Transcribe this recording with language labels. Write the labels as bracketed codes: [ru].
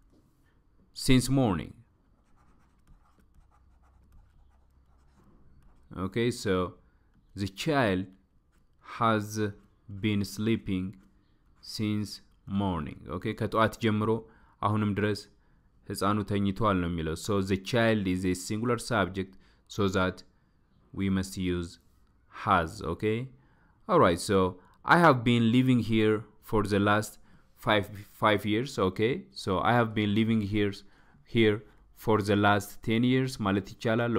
[en] Has been sleeping since morning. Okay, so the child has been sleeping since morning. [am] Okay, ከጠዋት ጀምሮ አሁንም ድረስ ህፃኑ ተኝቷል ነው የሚለው. [en] So the child is a singular subject, so that we must use has. Okay, all right. So I have been living here for the last five years. Okay, so I have been living here for the last 10 years. [am] ማለት ይቻላል.